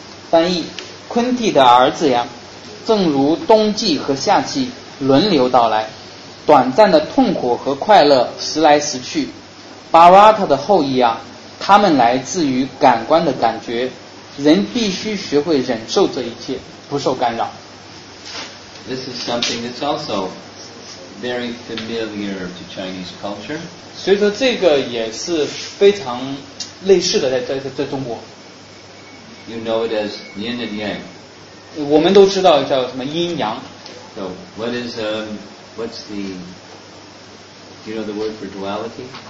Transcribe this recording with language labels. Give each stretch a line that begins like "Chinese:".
Chinese: 翻译：昆蒂的儿子呀，正如冬季和夏季轮流到来，短暂的痛苦和快乐时来时去。巴拉塔的后裔啊，他们来自于感官的感觉，人必须学会忍受这一切，不受干扰。
English: This is something that's also very familiar to Chinese culture.
Chinese: 所以说，这个也是非常类似的在中国。
English: You know it as yin and yang.
Chinese: 我们都知道叫什么阴阳。
English: So what is what's the do you know the word for duality?